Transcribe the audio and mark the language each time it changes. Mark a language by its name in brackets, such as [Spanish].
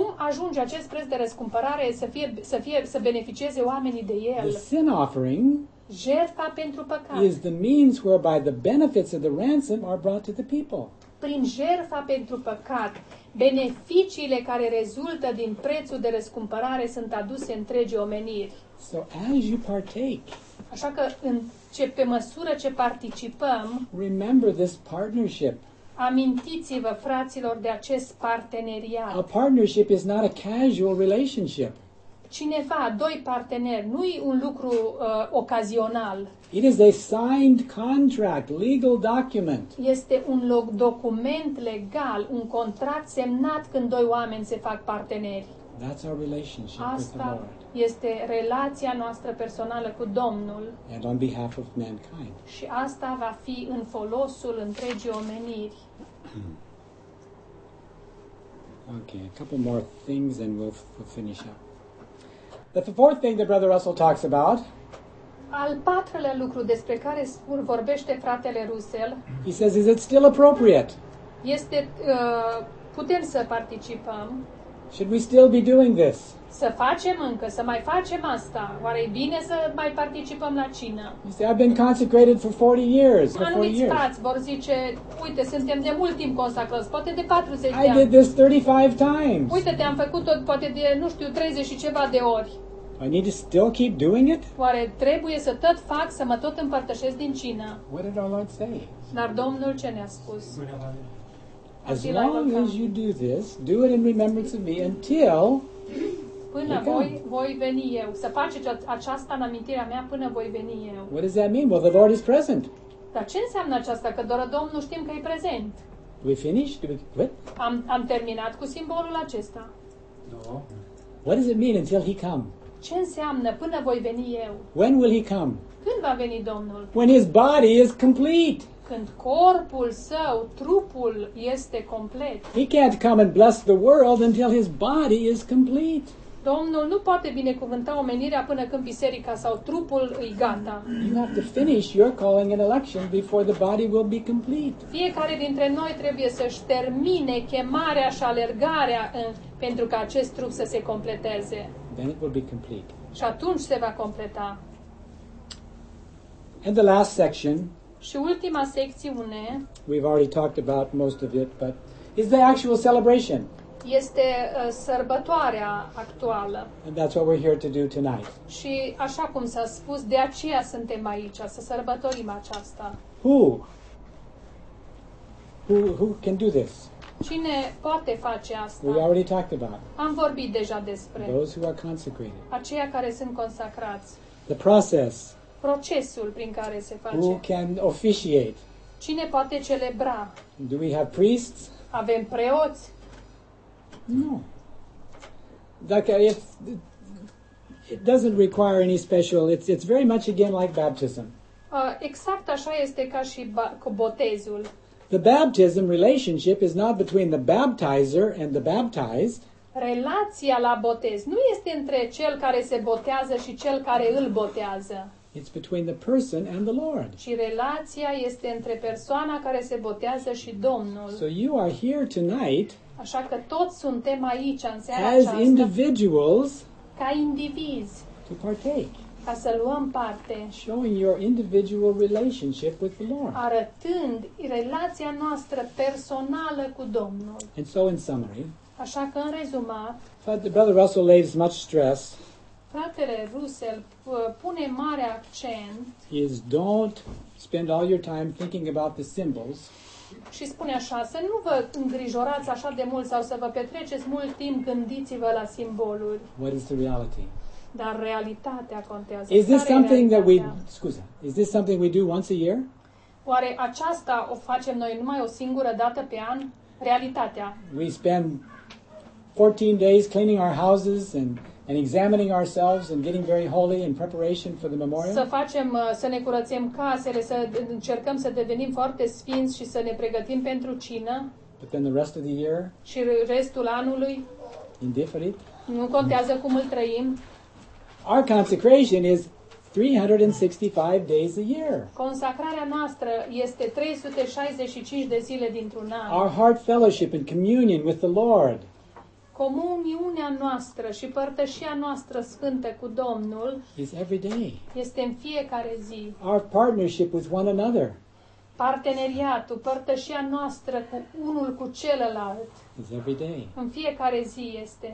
[Romanian] Cum ajunge acest preț de răscumpărare să beneficieze oamenii de el? [English] The sin offering. [Romanian] jertfa pentru păcat. [English] Is the means whereby the benefits of the ransom are brought to the people. [Romanian] Prin jertfa pentru păcat, beneficiile care rezultă din prețul de răscumpărare sunt aduse întregii omeniri. [English] So as you partake, [Romanian] așa că în ce, pe măsură ce participăm, [English] remember this partnership. [Romanian] Amintiți-vă, fraților, de acest parteneriat. [English] A partnership is not a casual relationship. [Romanian] Cineva, doi parteneri, nu-i un lucru ocazional. [English] It is a signed contract, legal document. [Romanian] Este un document legal, un contract semnat când doi oameni se fac parteneri. [English] That's our relationship [Romanian] asta [English] with the Lord. [Romanian] Este relația noastră personală cu Domnul. [English] And on behalf of mankind. [Romanian] Și asta va fi în folosul întregii omeniri. [English] Okay, a couple more things and we'll finish up. The fourth thing that Brother Russell talks about. [Romanian] Al patrulea lucru despre care vorbește fratele Russell. [English] He says, is it still appropriate? [Romanian] Este, putem să participăm? [English] Should we still be doing this? [Romanian] Să facem încă, să mai facem asta. Oare e bine să mai participăm la cină? [English] You say, I've been consecrated for 40 years. [Romanian] Anumiți frați vor zice, uite, suntem de mult timp consacrați, poate de 40 de ani. [English] I did this 35 times. [Romanian] Uite, te-am făcut tot, poate de, nu știu, 30 și ceva de ori. [English] I need to still keep doing it? [Romanian] Oare trebuie să tot fac, să mă tot împărtășesc din cină? [English] What did our Lord say? [Romanian] Dar Domnul ce ne-a spus? [English] As long as you do this, do it in remembrance of me until... [Romanian] Până voi veni eu. Să faceți aceasta în amintirea mea până voi veni eu. [English] What does that mean? Well, the Lord is present. [Romanian] Dar ce înseamnă aceasta? Că doar Domnul știm că e prezent. [English] Do we finish? Do we quit? [Romanian] Am terminat cu simbolul acesta. [English] No. What does it mean until he come? [Romanian] Ce înseamnă până voi veni eu? [English] When will he come? [Romanian] Când va veni Domnul? [English] When his body is complete. [Romanian] Când corpul său, trupul este complet. [English] He can't come and bless the world until his body is complete. [Romanian] Domnul nu poate binecuvânta omenirea până când biserica sau trupul e gata. [English] You have to finish your calling and election before the body will be complete. [Romanian] Fiecare dintre noi trebuie să-și termine chemarea și alergarea pentru ca acest trup să se completeze. [English] Then it will be complete. [Romanian] Și atunci se va completa. [English] And the last section. [Romanian] Și ultima secțiune. [English] We've already talked about most of it, but is the actual celebration. [Romanian] Este sărbătoarea actuală. [English] And that's what we're here to do tonight. [Romanian] Și așa cum s-a spus, de aceea suntem aici, să sărbătorim aceasta. [English] Who can do this? [Romanian] Cine poate face asta? [English] We already talked about. [Romanian] Am vorbit deja despre. [English] Those who are consecrated. [Romanian] Aceia care sunt consacrați. [English] The process. [Romanian] Procesul prin care se face. [English] Who can officiate? [Romanian] Cine poate celebra? [English] Do we have priests? [Romanian] Avem preoți? [English] No. [Romanian] Dacă [English] it doesn't require any special. It's very much again like baptism. [Romanian] Exact așa este ca și botezul. [English] The baptism relationship is not between the baptizer and the baptized. [Romanian] Relația la botez nu este între cel care se botează și cel care îl botează. [English] It's between the person and the Lord. [Romanian] Și relația este între persoana care se botează și Domnul. [English] So you are here tonight. [Romanian] Așa că toți suntem aici în seara aceasta. [English] As individuals. [Romanian] Ca indivizi. [English] To partake. [Romanian] Ca să luăm parte. [English] Showing your individual relationship with the Lord. [Romanian] Arătând relația noastră personală cu Domnul. [English] And so in summary. [Romanian] Așa că în rezumat. [English] Brother Russell lays much stress. [Romanian] Fratele Russell pune mare accent. [English] Is don't spend all your time thinking about the symbols. [Romanian] Și spune așa, să nu vă îngrijorați așa de mult sau să vă petreceți mult timp gândiți-vă la simboluri. [English] What is the reality? [Romanian] Dar realitatea contează. [English] Is this something that is this something we do once a year? [Romanian] Oare aceasta o facem noi numai o singură dată pe an? Realitatea. [English] We spend 14 days cleaning our houses and examining ourselves and getting very holy in preparation for the memorial. [Romanian] Să facem să ne curățăm casele, să încercăm să devenim foarte sfinți și să ne pregătim pentru cină. [English] But then the rest of the year? [Romanian] Și restul anului? Indiferent. Nu contează cum îl trăim. [English] Our consecration is 365 days a year. [Romanian] Consacrarea noastră este 365 de zile dintr-un an. [English] Our heart fellowship and communion with the Lord. [Romanian] comuniunea noastră și părtășia noastră sfântă cu Domnul [English] is every day. [Romanian] Este în fiecare zi. [English] Our partnership with one another. [Romanian] Parteneriatul, părtășia noastră cu unul cu celălalt. [English] Is every day. [Romanian] În fiecare zi este.